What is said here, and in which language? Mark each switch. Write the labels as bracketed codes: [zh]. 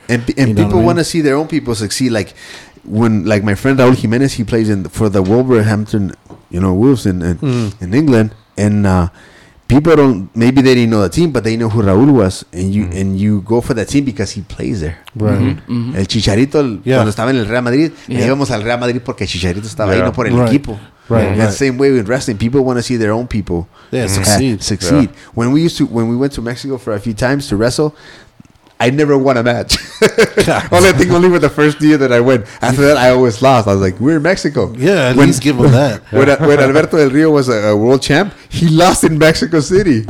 [en] And people want to see their own people succeed. Like when, like my friend Raul Jimenez, he plays for the Wolverhampton, you know, Wolves in England. And people don't, maybe they didn't know the team, but they know who Raul was. And you go for that team because he plays there. Right. Mm-hmm. Mm-hmm. [es] El Chicharito, cuando estaba en el Real Madrid, íbamos al Real Madrid porque Chicharito estaba ahí, no por el equipo. [en] Right. And same way with wrestling, people want to see their own people succeed. Yeah. When we went to Mexico for a few times to wrestle, I never won a match. I think with the first year that I went. After that, I always lost. I was like, we're in Mexico. Yeah, at least give them that. When Alberto Del Rio was a world champ, he lost in Mexico City.